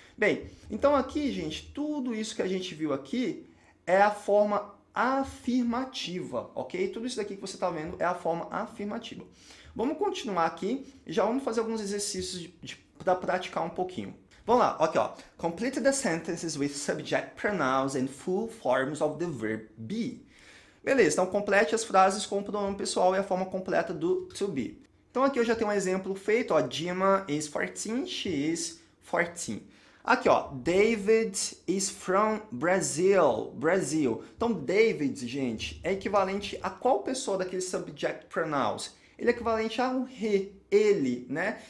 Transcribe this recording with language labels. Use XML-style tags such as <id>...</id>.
<pt>Bem, então aqui, gente, tudo isso que a gente viu aqui é a forma afirmativa, ok? Tudo isso daqui que você está vendo é a forma afirmativa. Vamos continuar aqui, já vamos fazer alguns exercícios para praticar um pouquinho. Vamos lá, aqui, ó.</pt> <en>Complete the sentences with subject pronouns and full forms of the verb be.</en> <pt>Beleza, então complete as frases com o pronome pessoal e a forma completa do to be. Então aqui eu já tenho um exemplo feito, ó.</pt> <en>Dima is 14, she is 14.</en> <pt>Aqui, ó.</pt> <en>David is from Brazil. Brasil.</en> <pt>Então, David, gente, é equivalente a qual pessoa daquele subject pronouns? Ele é equivalente ao he. ele, né?</pt>